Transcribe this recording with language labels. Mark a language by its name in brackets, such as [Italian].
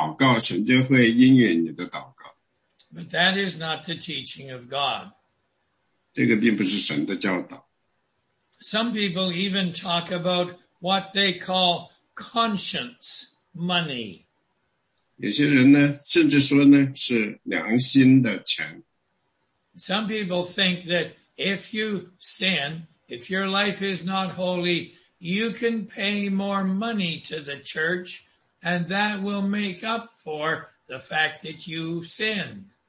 [Chinese] 有些人说呢,你不要,你不必那么圣洁,你不必好到那个程度,你就祷告,神就会应允你的祷告。 [English] But that is not the teaching of God. [Chinese] 这个并不是神的教导。 [English] Some people even talk about what they call conscience money. [Chinese] 有些人呢,甚至说呢,是良心的钱。 [English] Some people think that if you sin, if your life is not holy, you can pay more money to the church, and that will make up for the fact that you sinned.